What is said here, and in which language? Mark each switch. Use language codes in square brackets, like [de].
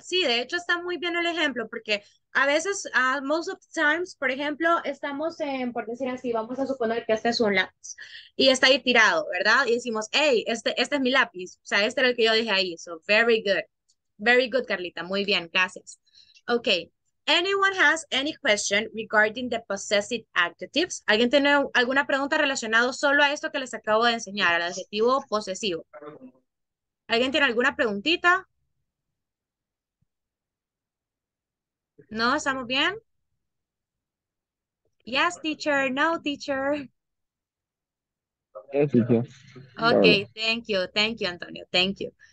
[es] Sí, de hecho está muy bien el ejemplo porque a veces, [en] most of the times, [es] por ejemplo, estamos en, por decir así, vamos a suponer que este es un lápiz y está ahí tirado, ¿verdad? Y decimos, hey, este es mi lápiz. O sea, este era el que yo dije ahí. [en] So, very good. Very good, Carlita. [es] Muy bien, gracias. [en] Okay. Anyone has any question regarding the possessive adjectives? [es] ¿Alguien tiene alguna pregunta relacionada solo a esto que les acabo de enseñar, al adjetivo posesivo? ¿Alguien tiene alguna preguntita? ¿No? ¿Estamos bien? [en] Yes, teacher. No, teacher. Okay, thank you. Thank you, Antonio. Thank you.